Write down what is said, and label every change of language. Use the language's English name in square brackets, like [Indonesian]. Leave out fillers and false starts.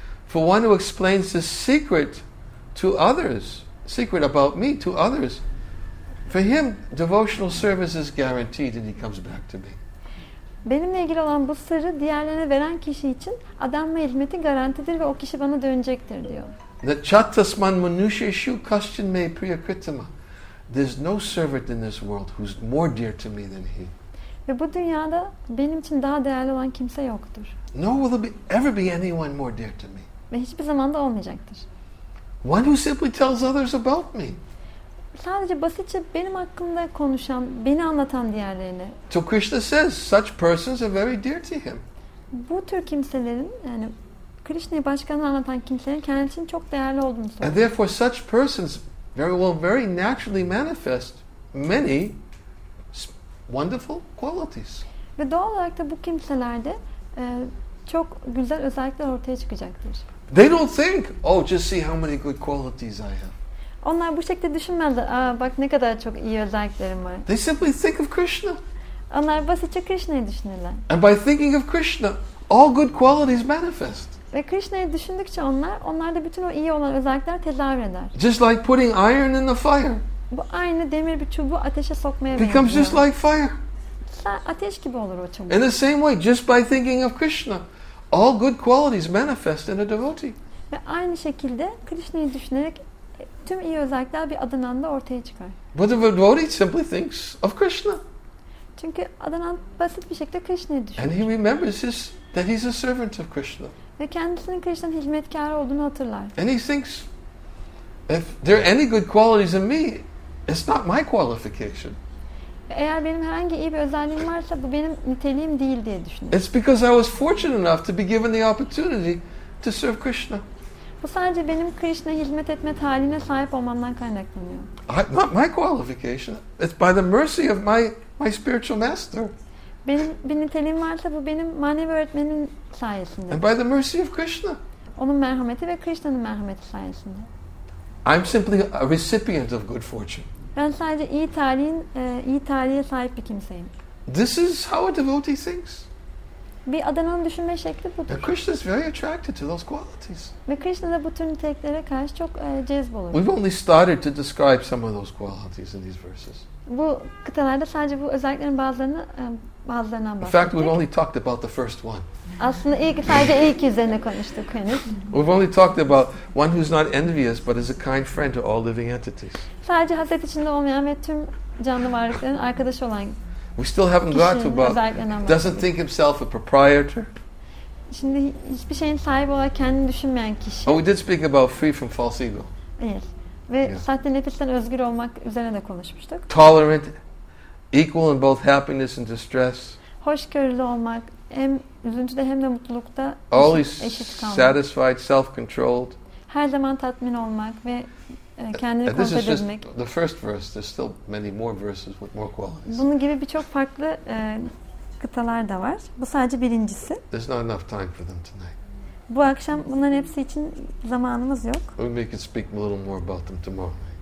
[English] For one who explains the secret to others, secret about me to others, for him devotional service is guaranteed and he comes back to me. [Turkish] Benimle ilgili olan bu sırrı diğerlerine veren kişi için adanma hizmeti garantidir ve o kişi bana dönecektir diyor. [Sanskrit] Na chattasman manusheshu kaschinme priyakritama. [English] There's no servant in this world who's more dear to me than he. [Turkish] Ve bu dünyada benim için daha değerli olan kimse yoktur. [English] No will there ever be anyone more dear to me. [Turkish] Ve hiçbir zaman da olmayacaktır. [English] One who simply tells others about me. [Turkish] Sadece basitçe benim hakkımda konuşan, beni anlatan diğerlerine. [English] So Krishna says such persons are very dear to him. [Turkish] Bu tür kimselerin, yani Krishna'yı başkalarına anlatan kimselerin kendisi için çok değerli olduğunu söylüyor. [English] And therefore such persons very well, very naturally manifest many wonderful qualities. [Turkish] Ve doğal olarak da bu kimselerde çok güzel özellikler ortaya çıkacaktır. [English] They don't think, oh, just see how many good qualities I have. [Turkish] Onlar bu şekilde düşünmezler. Aa, bak ne kadar çok iyi özelliklerim var. [English] They simply think of Krishna. [Turkish] Onlar basitçe Krishna'yı düşünürler. [English] And by thinking of Krishna, all good qualities manifest. [Turkish] Ve Krishna'yı düşündükçe onlarda bütün o iyi olan özellikler tezahür eder. [English] Just like putting iron in the fire. [Turkish] Bu aynı demir bir çubuğu ateşe sokmaya benziyor. [English] Becomes just like fire. [Turkish] Ateş gibi olur o çubuk. [English] In the same way, just by thinking of Krishna, all good qualities manifest in a devotee. [Turkish] Ve aynı şekilde Krishna'yı düşünerek tüm iyi özellikler bir adananda ortaya çıkar. [English] But the devotee simply thinks of Krishna. [Turkish] Çünkü adanan basit bir şekilde Krishna'yı düşünür. [English] And he remembers his, that he's a servant of Krishna. [Turkish] Ve kendisinin Krishna'nın hizmetkarı olduğunu hatırlar. [English] And he thinks, if there are any good qualities in me, it's not my qualification. [Turkish] Eğer benim herhangi iyi bir özelliğim varsa bu benim niteliğim değil diye düşünür. [English] It's because I was fortunate enough to be given the opportunity to serve Krishna. [Turkish] Bu sadece benim Krishna'ya hizmet etme talihine sahip olmamdan kaynaklanıyor. [English] Not my qualification. It's by the mercy of my spiritual master. [Turkish] Benim bir niteliğim varsa bu benim manevi öğretmenim sayesinde. [English] And by the mercy of Krishna. [Turkish] Onun merhameti ve Krishna'nın merhameti sayesinde. [English] I'm simply a recipient of good fortune. [Turkish] Ben sadece iyi talihe sahip bir kimseyim. [English] This is how a devotee thinks. [Turkish] Bir adanan düşünme şekli budur. [English] Now Krishna is very attracted to those qualities. [Turkish] Ve Krishna da bu tür niteliklere karşı çok cezbolur. [English] We've only started to describe some of those qualities in these verses. [Turkish] Bu kıtalarda sadece bu özelliklerin bazılarından bahsettik. [English] In fact, we've only talked about the first one. [Turkish] Aslında sadece ilk üzerine konuştuk henüz. [English] We've only talked about one who's not envious but is a kind friend to all living entities. [Turkish] Sadece haset içinde olmayan ve tüm canlı varlıkların arkadaşı olan. [English] We still haven't got to about doesn't think himself a proprietor. [Turkish] Şimdi hiçbir şeyin sahibi olarak kendini düşünmeyen kişi. [English] Oh, we did speak about free from false ego. [Turkish] Evet. Ve sahte nefisten özgür olmak üzerine de konuşmuştuk. [English] Tolerant, equal in both happiness and distress. [Turkish] Hoşgörülü olmak, hem üzüntüde hem de mutlulukta [English] always [Turkish] eşit kalmak. [English] Satisfied, self-controlled. [Turkish] Her zaman tatmin olmak ve kendini kontrol edebilmek. [English] This is just the first verse. There's still many more verses with more qualities. [Turkish] Bunun gibi birçok farklı kıtalar da var. Bu sadece birincisi. [English] There's not enough time for them tonight. [Turkish] Bu akşam bunların hepsi için zamanımız yok. [English] Maybe we can speak a little more about them tomorrow.